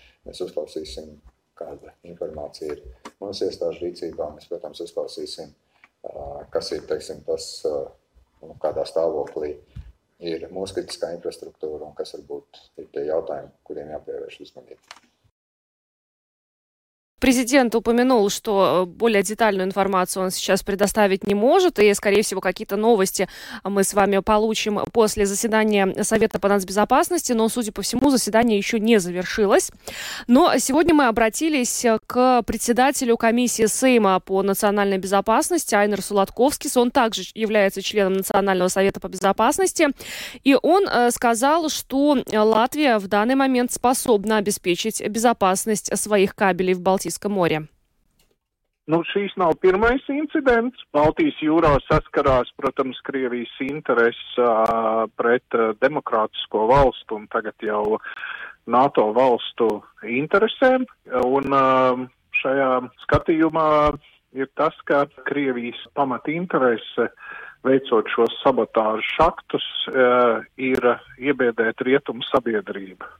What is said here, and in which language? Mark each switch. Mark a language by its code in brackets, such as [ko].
[lv] Mēs uzklausīsim, kāda informācija ir mūsu iestāžu rīcībā. Mēs, protams, uzklausīsim, kas ir, teiksim, tas, kādā stāvoklī ir mūsu kritiskā infrastruktūra un kas varbūt ir tie jautājumi, kuriem jāpievērš uzmanība. [ru] Президент упомянул, что более детальную информацию он сейчас предоставить не может, и, скорее всего, какие-то новости мы с вами получим после заседания Совета по нацбезопасности, но, судя по всему, заседание еще не завершилось. Но сегодня мы обратились к председателю комиссии Сейма по национальной безопасности Айнерсу Латковскис. Он также является членом Национального совета по безопасности, и он сказал, что Латвия в данный момент способна обеспечить безопасность своих кабелей в Балтии. [lv] Nu, šīs nav pirmais incidents. Baltijas jūrā saskarās, protams, Krievijas intereses pret demokrātisko valstu un tagad jau NATO valstu interesēm. Un šajā skatījumā ir tas, ka Krievijas pamata interese veicot šos sabotāžu aktus ir iebiedēt rietumu sabiedrību.